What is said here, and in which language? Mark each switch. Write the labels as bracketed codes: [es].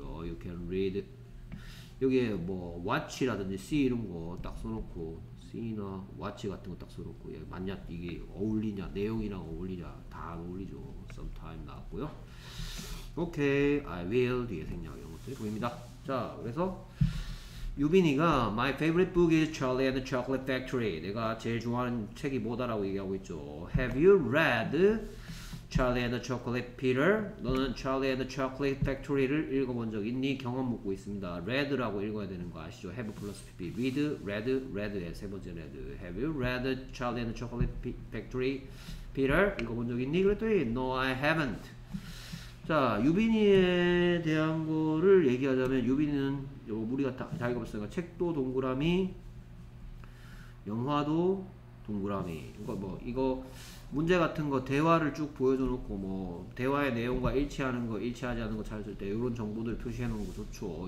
[en] You can read. [ko] 여기에 뭐 watch라든지 see 이런 거딱 써놓고 see나 watch 같은 거딱 써놓고 얘 맞냐 이게 어울리냐 내용이랑 어울리냐 다 어울리죠. sometime 나왔고요. [en] Okay, I will [ko] 뒤에 생략 이런 것들이 보입니다. 자, 그래서 유빈이가 [en] My favorite book is Charlie and the Chocolate Factory. [ko] 내가 제일 좋아하는 책이 뭐다라고 얘기하고 있죠. [en] Have you read Charlie and the Chocolate Peter? [ko] 너는 Charlie and the Chocolate Factory를 읽어본 적 있니? 경험 묻고 있습니다. [en] Read [ko] 라고 읽어야 되는 거 아시죠? [en] Have plus PP. Read, read, read의 세 번째 read. Have you read Charlie and the Chocolate Factory? [ko] Peter? 읽어본 적 있니? 그랬더니 [en] No, I haven't. [ko] 자, 유빈이에 대한 거를 얘기하자면, 유빈이는, 우리가 다 읽어봤으니까, 책도 동그라미, 영화도 동그라미. 이거, 문제 같은 거, 대화를 쭉 보여줘놓고, 뭐, 대화의 내용과 일치하는 거, 일치하지 않은 거 찾을 때, 이런 정보들 표시해놓은 거 좋죠.